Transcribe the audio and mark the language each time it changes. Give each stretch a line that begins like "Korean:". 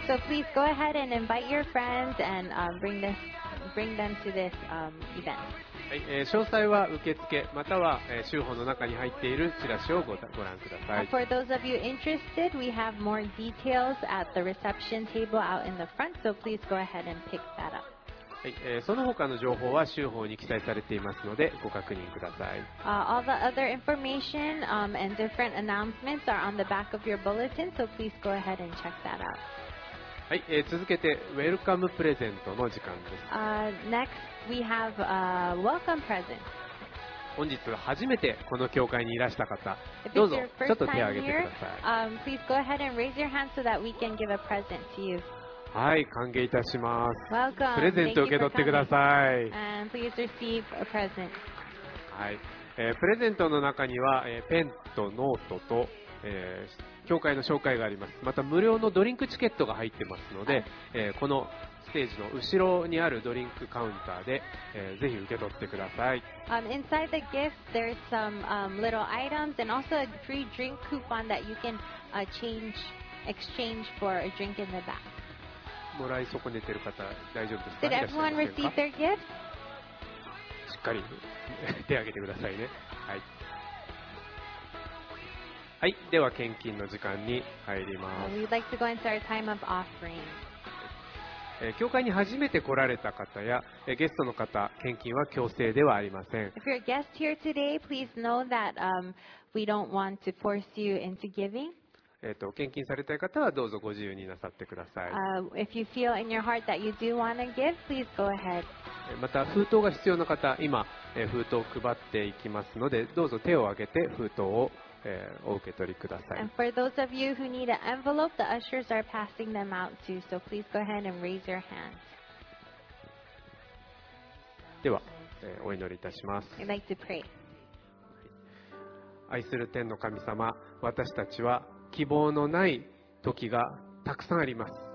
English: So please go ahead and invite your friends and bring them to this event.
Japanese: はい、詳細は受付または集報の中に入っているチラシをご覧ください。
English: For those of you interested, we have more details at the reception table out in the front, so please go ahead and pick that up.
Japanese: はい、その他の情報は集報に記載されていますのでご確認ください。
English: All the other information, and different announcements are on the back of your bulletin, so please go ahead and check that out.
Japanese: はい、続けてウェルカムプレゼントの時間です。
English: Next, we have a welcome present.
Japanese: 本日初めてこの教会にいらした方、どうぞちょっと手を挙げてください。
English: Please go ahead and raise your hand so that we can give a present to you.
Japanese: はい、歓迎いたします。
English: Welcome.
Japanese: プレゼント受け取ってください。
English: And please receive a present.
Japanese: はい、プレゼントの中には、ペンとノートと、教会の紹介があります。また無料のドリンクチケットが入ってますので、このステージの後ろにあるドリンクカウンターで、ぜひ受け取ってください。
English: Inside the gift, there's some little items and also a free drink coupon that you can exchange for a drink in the back.
Japanese: もらい損ねてる方、大丈夫ですか?
English: Did everyone receive their gifts?
Japanese: しっかり手を挙げてくださいね。はい。はい、では献金の時間に入ります。
English: We'd like to go into our time of offering.
Japanese: 教会に初めて来られた方や、ゲストの方、献金は強制ではありません。
English: If you're a guest here today, please know that, we don't want to force you into giving.
Japanese: 献金されたい方はどうぞご自由になさってください。
English: If you feel in your heart that you do want to give, please go ahead.
Japanese: また封筒が必要な方、今、封筒を配っていきますので、どうぞ手を挙げて封筒を、お受け取りください。
English: And for those of you who need an envelope, the ushers are passing them out too, so please go ahead and raise your hand.
Japanese: では、お祈りいたします。
English: I'd like to pray.
Japanese: 愛する天の神様、私たちは希望のない時がたくさんあります。